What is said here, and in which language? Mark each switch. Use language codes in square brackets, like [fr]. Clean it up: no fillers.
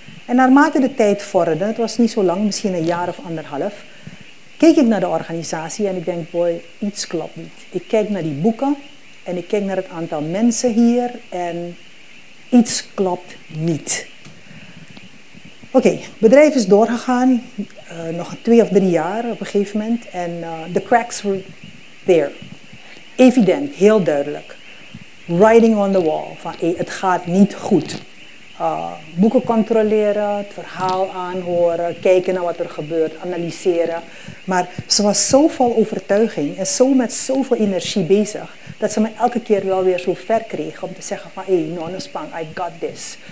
[nl] En naarmate de tijd vorderde, het was niet zo lang, misschien een jaar of anderhalf, keek ik naar de organisatie en ik denk, boy, iets klopt niet. Ik kijk naar die boeken. En ik kijk naar het aantal mensen hier en iets klopt niet. Oké, bedrijf is doorgegaan, nog 2 of 3 jaar op een gegeven moment. En [en] the cracks were there. [nl] Evident, heel duidelijk. [en] Writing on the wall, [nl] van het gaat niet goed. boeken controleren, het verhaal aanhoren, kijken naar wat er gebeurt, analyseren. Maar ze was zo vol overtuiging en zo met zoveel energie bezig, dat ze me elke keer wel weer zo ver kreeg om te zeggen van, hey, Nonnespang, [en] I got this.